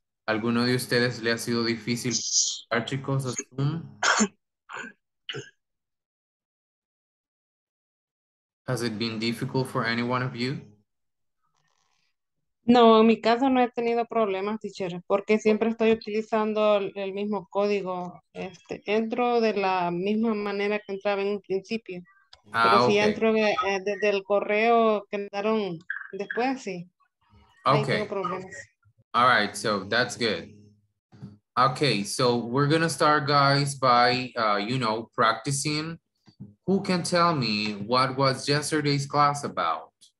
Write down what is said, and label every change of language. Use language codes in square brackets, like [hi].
[es] ¿Alguno de ustedes le ha sido difícil ver chicos a Zoom? [en] Has it been difficult for any one of you? [es] No, en mi caso no he tenido problemas, teacher, porque siempre estoy utilizando el mismo código. Este, entro de la misma manera que entraba en un principio. Ah, pero okay. Si entro desde el correo que entraron después, sí. Okay. Ahí tengo problemas. [en] All right, so that's good. Okay, so we're gonna start, guys, by, you know, practicing. Who can tell me what was yesterday's class about?